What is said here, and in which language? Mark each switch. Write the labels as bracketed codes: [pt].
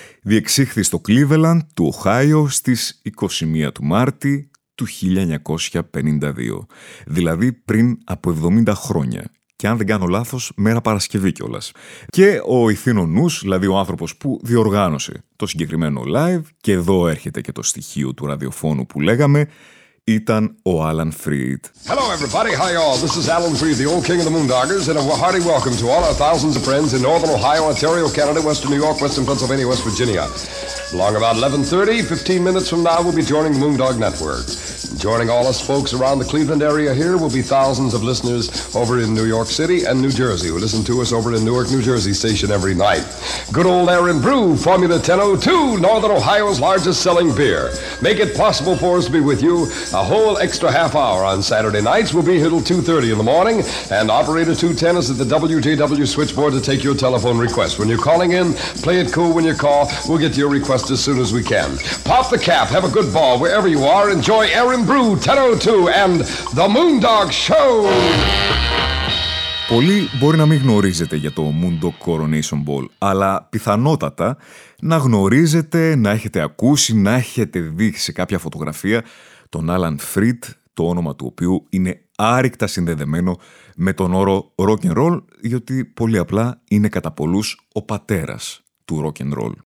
[el] Διεξήχθη στο Cleveland του Οχάιο στις 21 του Μάρτη του 1952, δηλαδή πριν από 70 χρόνια. Και αν δεν κάνω λάθος, μέρα Παρασκευή κιόλας. Και ο Ιθήνο Νους, δηλαδή ο άνθρωπος που διοργάνωσε το συγκεκριμένο live, και εδώ έρχεται και το στοιχείο του ραδιοφώνου που λέγαμε, ήταν ο Alan Freed. [en] Hello everybody, how are you all? This is Alan Freed, the old king of the Moondoggers, and a hearty welcome to all our thousands of friends in Northern Ohio, Ontario, Canada, Western New York, Western Pennsylvania, West Virginia. Along about 11:30, 15 minutes from now, we'll be joining the Moondog Network. Joining all us folks around the Cleveland area here will be thousands of listeners over in New York City and New Jersey who listen to us over in Newark, New Jersey station every night. Good old Aaron Brew, Formula 1002, Northern Ohio's largest selling beer. Make it possible for us to be with you a whole extra half hour on Saturday nights. We'll be here till 2:30 in the morning, and Operator 210 is at the WJW switchboard to take your telephone request. When you're calling in, play it cool when you call. We'll get to your request as soon as we can. Pop the cap, have a good ball wherever you are. Enjoy Aaron Brew 1002 and the Moondog Show. [el] Πολλοί μπορεί να μην γνωρίζετε για το Moondog Coronation Ball, αλλά πιθανότατα να γνωρίζετε, να έχετε ακούσει, να έχετε δει σε κάποια φωτογραφία τον Alan Freed, το όνομα του οποίου είναι άρρηκτα συνδεδεμένο με τον όρο rock'n'roll, διότι πολύ απλά είναι κατά πολλούς ο πατέρας του rock'n'roll.